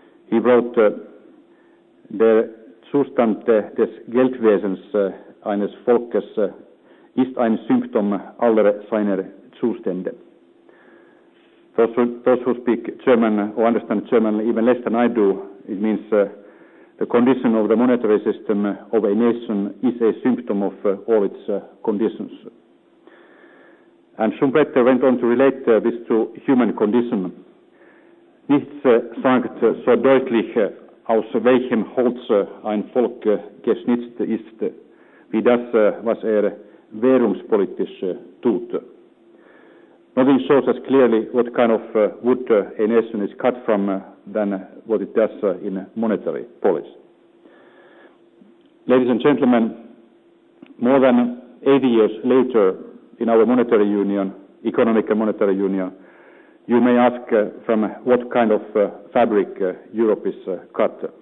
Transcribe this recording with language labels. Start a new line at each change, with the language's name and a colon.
English: He wrote,
German: Der Zustand des Geldwesens eines Volkes ist ein Symptom aller seiner Zustände.
English: Those who speak German or understand German even less than I do, it means the condition of the monetary system of a nation is a symptom of all its conditions. And Schumpeter went on to relate this to human condition.
German: Nichts sagt so deutlich aus welchem Holz ein Volk geschnitzt ist, wie das, was währungspolitisch tut.
English: Nothing shows us clearly what kind of wood a nation is cut from than what it does in monetary policy. Ladies and gentlemen, more than 80 years later in our monetary union, economic and monetary union, you may ask from what kind of fabric Europe is cut.